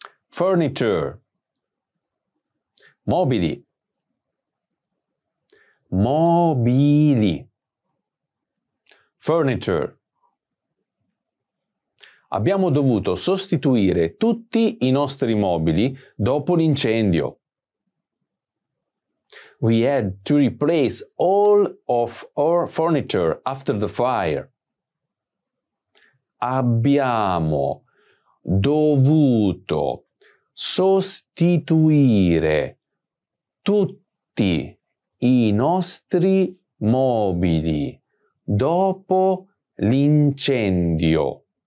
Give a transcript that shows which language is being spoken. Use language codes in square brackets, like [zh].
[en] Furniture. Mobili. [it] Mobili. Furniture. Abbiamo dovuto sostituire tutti i nostri mobili dopo l'incendio. [en] We had to replace all of our furniture after the fire. [it] Abbiamo dovuto sostituire tutti i nostri mobili dopo l'incendio.